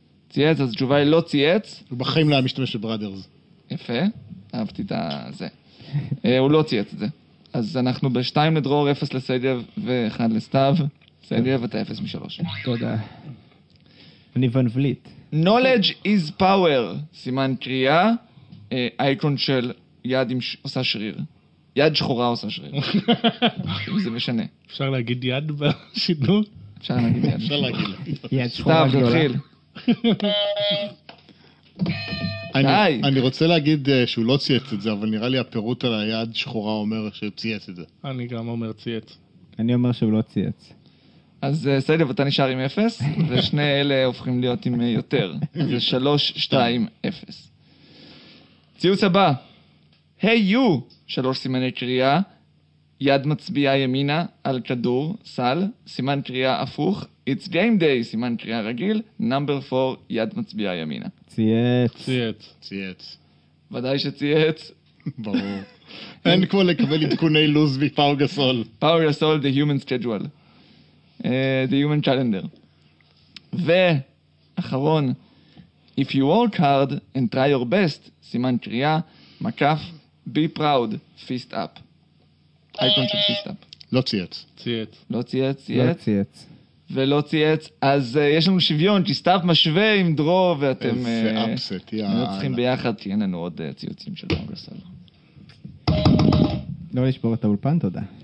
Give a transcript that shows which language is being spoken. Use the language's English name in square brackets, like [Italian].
[Hebrew] צייץ, אז התשובה היא לא צייץ. ובחיים לא משתמש בברדרס. יפה, אהבתי את זה. הוא לא צייץ את זה. אז אנחנו ב-2 לדרור, 0 לסגב ו-1 לסתיו. סגב, אתה 0 מ-3. תודה. אני ון וליט. [English] Knowledge is power, [Hebrew] סימן קריאה. אייקון של יד עם עושה שריר. יד שחורה עושה שריר. זה משנה. אפשר להגיד יד בשידור? אפשר להגיד יד. אפשר להגיד. סתיו, נתחיל. די. אני רוצה להגיד שהוא לא צייץ את זה, אבל נראה לי הפירוט על היד שחורה אומר שהוא צייץ את זה. אני גם אומר צייץ. אני אומר שהוא לא צייץ. אז סדב, אתה נשאר עם 0, ושני אלה הופכים להיות עם יותר. זה 3-2-0. ציוץ הבא. היי יו! שלוש סימני קריאה, יד מצביעה ימינה על כדור, סל, סימן קריאה הפוך, [English] it's game day, [Hebrew] סימן קריאה רגיל, [English] number 4, [Hebrew] יד מצביעה ימינה. צייץ. צייץ. צייץ. ודאי שצייץ. ברור. אין כמו לקבל עדכוני לוז מפאו גסול. [English] פאו גסול, the human schedule. The human calendar. ואחרון, if you work hard and try your best, [Hebrew] סימן קריאה, מקף, [English] be proud, fist up. [Hebrew] אייקון של [English] fist up. [Hebrew] לא צייץ. צייץ. לא צייץ, צייץ. לא צייץ. ולא צייץ, אז יש לנו שוויון, כי סתיו משווה עם דרו, ואתם... איזה אפסט, יאללה. אנחנו צריכים ביחד, כי אין לנו עוד ציוצים של פאו גסול. לא לשבור את האולפן, תודה.